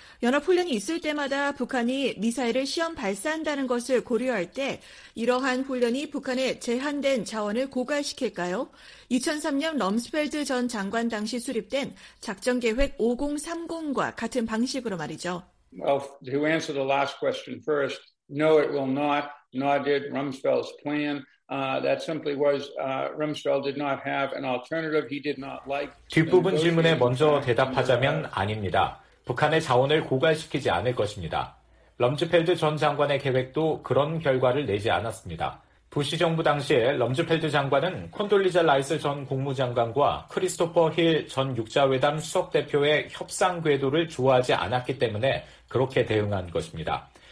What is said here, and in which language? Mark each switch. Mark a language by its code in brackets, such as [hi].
[ko] 연합훈련이 있을 때마다 북한이 미사일을 시험 발사한다는 것을 고려할 때 이러한 훈련이 북한의 제한된 자원을 고갈시킬까요? 2003년 럼스펠드 전 장관 당시 수립된 작전계획 5030과 같은 방식으로 말이죠. [en] Well, to answer the last question first, no, it will not, nor did Rumsfeld's plan. That simply was Rumsfeld did not have an alternative. He did not like. [ko] 뒷부분 질문에 먼저 대답하자면 아닙니다. 북한의 자원을 고갈시키지 않을 것입니다. 럼즈펠드 전 장관의 계획도 그런 결과를 내지 않았습니다. 부시 정부 당시에 럼즈펠드 장관은 콘돌리자 라이스 전 국무장관과 크리스토퍼 힐 전 육자회담 수석대표의 협상 궤도를 좋아하지 않았기 때문에 그렇게 대응한 것입니다.